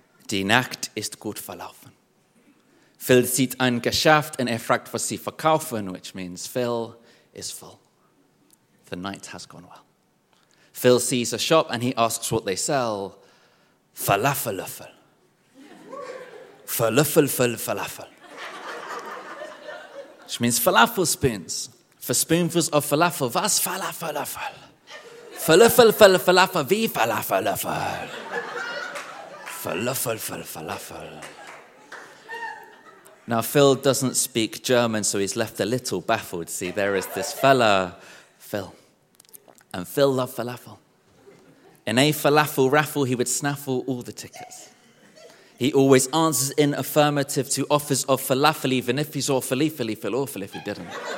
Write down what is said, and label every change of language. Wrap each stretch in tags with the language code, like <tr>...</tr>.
<de>Die Nacht ist gut verlaufen. Phil sieht ein Geschäft und fragt, was sie verkaufen,</de> <en>which means Phil is full. The night has gone well. Phil sees a shop and he asks what they sell. Falafel-Löffel.</en> <de>Falafel-Löffel falafel.</de> <en>Which means falafel spoons. For spoonfuls of falafel,</en> <de>was falafel-Löffel? Falafel-Löffel falafel, wie falafel-Löffel? Falafel-Löffel falafel.</de> <en>Now, Phil doesn't speak German, so he's left a little baffled. See, there is this fella, Phil. And Phil loved falafel. In a falafel raffle, he would snaffle all the tickets. He always answers in affirmative to offers of falafel, even if he's awfully, Philly, feel awful if he didn't.</en>